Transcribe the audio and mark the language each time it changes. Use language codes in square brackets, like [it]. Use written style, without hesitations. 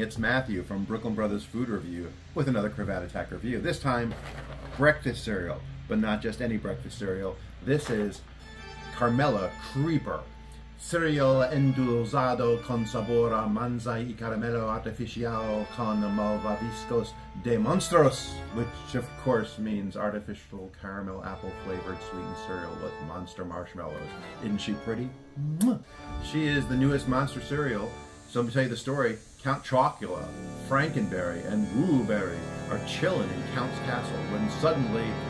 [en] It's Matthew from Brooklyn Brothers Food Review with another Cravat Attack review. This time, breakfast cereal, but not just any breakfast cereal. This is Carmella Creeper. [es] Cereal endulzado con sabor a manza y caramelo artificial con malvaviscos de monstruos. [en] Which, of course, means artificial caramel apple-flavored sweetened cereal with monster marshmallows. Isn't she pretty? She is the newest monster cereal. So let me tell you the story. Count Chocula, Frankenberry, and Blueberry are chilling in Count's castle when suddenly...